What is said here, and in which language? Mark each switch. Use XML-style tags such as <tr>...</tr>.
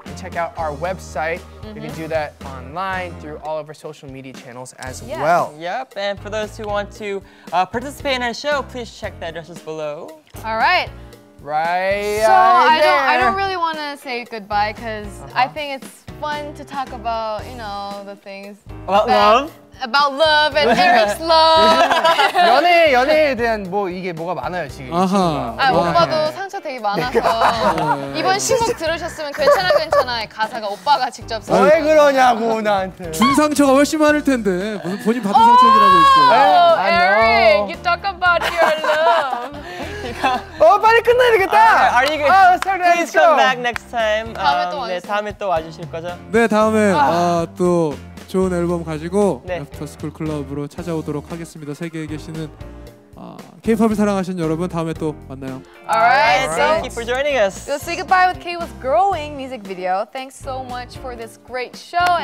<en>Check out our website. Mm-hmm. You can do that online through all of our social media channels as well. Yep, and for those who want to participate in our show, please check the addresses below. All right. Right. So I don't really want to say goodbye because I think it's fun to talk about, you know, the things. About love? About love and Eric's love.</en> <ko>연애에 대한 뭐 이게 뭐가 많아요 지금. 아하. 아 오빠도 상처 되게 많아서 이번 신곡 들으셨으면 괜찮아의 가사가 오빠가 직접 써. 왜 그러냐고 나한테. 준 상처가 훨씬 많을 텐데 무슨 본인 받은 상처라고 있어요.</ko> <en>Eric, you talk about your love.</en> <ko>어 빨리 끝내야 되겠다.</ko> <en>Please come back next time.</en> <ko>다음에 또 와주세요. 네 다음에 또 와주실 거죠? 네 다음에 또. 좋은 앨범 가지고 애프터스쿨 네. 클럽으로 찾아오도록 하겠습니다. 세계에 계시는 K-POP을 사랑하시는 여러분 다음에 또 만나요.</ko> <en>Alright, thank you for joining us. We'll say goodbye with K-POP's growing music video. Thanks so much for this great show and</en>